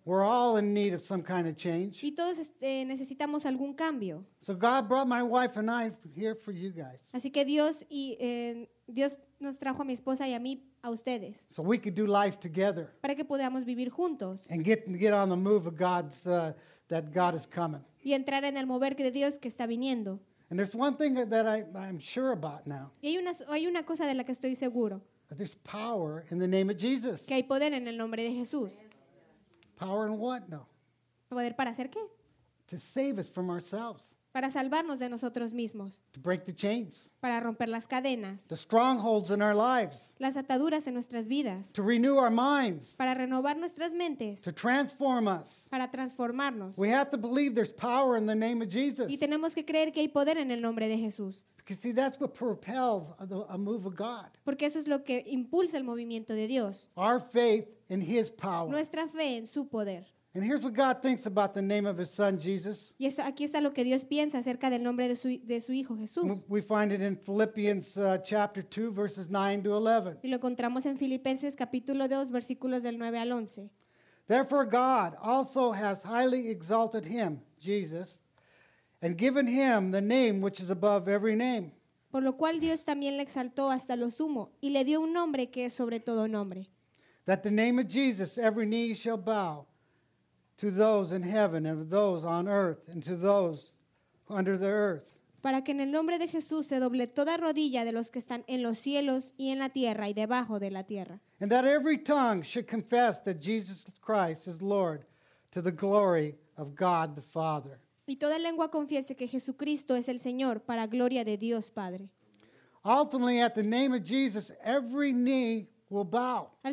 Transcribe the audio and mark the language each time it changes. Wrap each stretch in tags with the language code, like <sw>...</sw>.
<en>We're all in need of some kind of change.</en> <es>Y todos necesitamos algún cambio.</es> <en>So God brought my wife and I here for you guys.</en> <es>Así que Dios y Dios nos trajo a mi esposa y a mí a ustedes.</es> <en>So we could do life together.</en> <es>Para que podamos vivir juntos.</es> <en>And get on the move of God's that God is coming.</en> <es>Y entrar en el mover de Dios que está viniendo.</es> <en>And there's one thing that I'm sure about now.</en> <es>Y hay una cosa de la que estoy seguro.</es> <en>That there's power in the name of Jesus.</en> <es>Que hay poder en el nombre de Jesús.</es> <en>Power in what? No.</en> <es>¿Poder para hacer qué?</es> <en>To save us from ourselves.</en> <es>Para salvarnos de nosotros mismos.</es> <en>To break the chains.</en> <es>Para romper las cadenas.</es> <en>The strongholds in our lives.</en> <es>Las ataduras en nuestras vidas.</es> <en>To renew our minds.</en> <es>Para renovar nuestras mentes.</es> <en>To transform us.</en> <es>Para transformarnos.</es> <en>We have to believe there's power in the name of Jesus.</en> <es>Y tenemos que creer que hay poder en el nombre de Jesús.</es> <en>Because see, that's what propels a move of God.</en> <es>Porque eso es lo que impulsa el movimiento de Dios.</es> <en>Our faith in His power.</en> <es>Nuestra fe en su poder.</es> <en>And here's what God thinks about the name of His Son Jesus.</en> <es>Y esto, aquí está lo que Dios piensa acerca del nombre de su hijo Jesús.</es> <en>We find it in Philippians chapter 2, verses 9 to 11.</en> <es>Y lo encontramos en Filipenses capítulo 2, versículos del 9 al 11.</es> <en>Therefore, God also has highly exalted Him, Jesus, and given Him the name which is above every name.</en> <es>Por lo cual Dios también le exaltó hasta lo sumo y le dio un nombre que es sobre todo nombre.</es> <en>That the name of Jesus every knee shall bow. To those in heaven and to those on earth and to those under the earth.</en> <es>Para que en el nombre de Jesús se doble toda rodilla de los que están en los cielos y en la tierra y debajo de la tierra.</es> <en>And that every tongue should confess that Jesus Christ is Lord to the glory of God the Father.</en> <es>Y toda lengua confiese que Jesucristo es el Señor para gloria de Dios Padre.</es> <en>Ultimately, at the name of Jesus, every knee will bow.</en>